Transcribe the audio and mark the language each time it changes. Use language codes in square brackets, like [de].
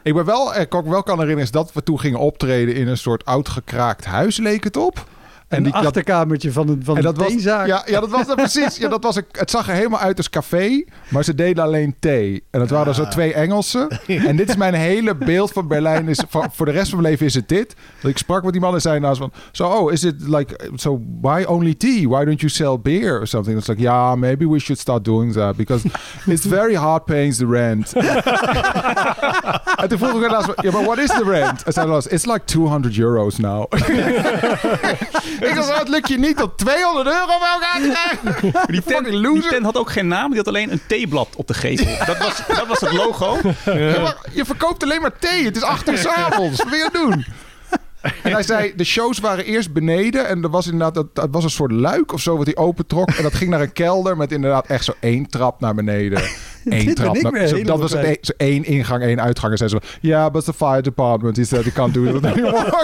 [nl] Ik ben wel, ik kan me wel herinneren, is dat we toen gingen optreden in een soort oud gekraakt huis, leek het op. En een achterkamertje van de theezaak. Ja, dat was het precies. Ja, dat was het zag er helemaal uit als café, maar ze deden alleen thee. En dat waren zo twee Engelsen. En dit is mijn hele beeld van Berlijn. Is voor de rest van mijn leven is het dit. Dat ik sprak met die man en zei naast van, zo, [en] oh, is it like, so why only tea? Why don't you sell beer or something? It's like, yeah, maybe we should start doing that. Because it's very hard paying the rent. [nl] En toen vroeg ik naast van, [en] yeah, but what is the rent? [nl] En zei naast, [en] it's like 200 euros now. [nl] Ik dacht, het lukt je niet tot 200 euro bij elkaar te krijgen. Die tent, loser. Die tent had ook geen naam. Die had alleen een theeblad op de gevel. Dat was het logo. Ja. Je verkoopt alleen maar thee. Het is 8 uur 's avonds. Wat wil je doen? En hij zei, de shows waren eerst beneden. En er was inderdaad, dat was een soort luik of zo wat hij opentrok. En dat ging naar een kelder met inderdaad echt zo 1 trap naar beneden. Dat was zo 1 ingang, 1 uitgang. En zei ze, ja, [en] but the fire department, he said, he can't do it anymore.